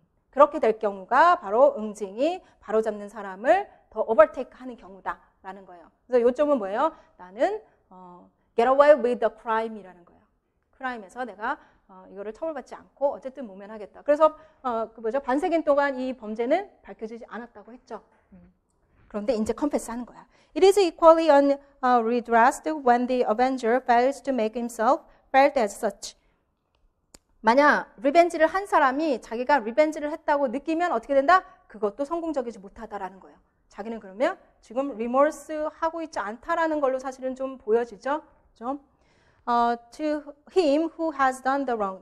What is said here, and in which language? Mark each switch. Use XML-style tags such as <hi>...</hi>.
<ko>그렇게 될 경우가 바로 응징이 바로잡는 사람을 더 overtake 하는 경우다라는 거예요. 그래서 요점은 뭐예요? 나는</ko> <en>get away with the crime이라는 거예요.</en> <ko>크라임에서 내가 이거를 처벌받지 않고 어쨌든 모면하겠다. 그래서 그 뭐죠? 반세기 동안 이 범죄는 밝혀지지 않았다고 했죠. 그런데 이제 컴패스하는 거야.</ko> <en>It is equally unredressed when the avenger fails to make himself felt as such.</en> <ko>만약 리벤지를 한 사람이 자기가 리벤지를 했다고 느끼면 어떻게 된다? 그것도 성공적이지 못하다라는 거예요. 자기는 그러면 지금 리몰스 하고 있지 않다라는 걸로 사실은 좀 보여지죠. 좀.</ko> <en>To him who has done the wrong.</en>